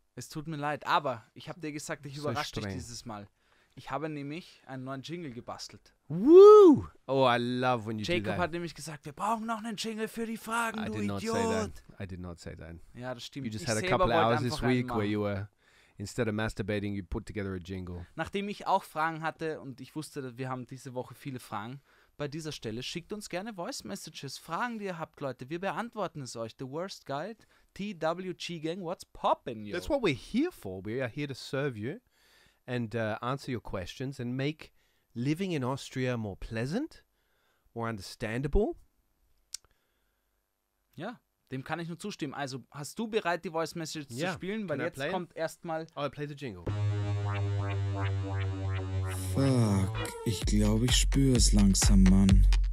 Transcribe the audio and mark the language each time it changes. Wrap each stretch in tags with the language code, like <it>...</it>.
<de>Es tut mir leid, aber ich habe dir gesagt, ich überrasche dich dieses Mal. Ich habe nämlich einen neuen Jingle gebastelt.</de> <en>Woo! Oh, I love when you Jacob do that.</en> <de>Jacob hat nämlich gesagt, wir brauchen noch einen Jingle für die Fragen, I du Idiot.</de> <en>I did not say that.</en> <de>Ja, das stimmt.</de> <en>You just had a couple of hours this week where you were, instead of masturbating, you put together a jingle.</en> <de>Nachdem ich auch Fragen hatte und ich wusste, wir haben diese Woche viele Fragen, bei dieser Stelle schickt uns gerne Voice Messages, Fragen, die ihr habt, Leute. Wir beantworten es euch. The Worst Guide,</de> <en>TWG Gang, what's poppin', yo? That's what we're here for. We are here to serve you and answer your questions and make living in Austria more pleasant, more understandable.</en> <de>Ja, dem kann ich nur zustimmen. Also, hast du bereit, die Voice Message zu spielen? Weil jetzt kommt erstmal.</de> <en>I'll play the jingle.</en> <de>Fuck, ich glaube, ich spüre es langsam, Mann.</de>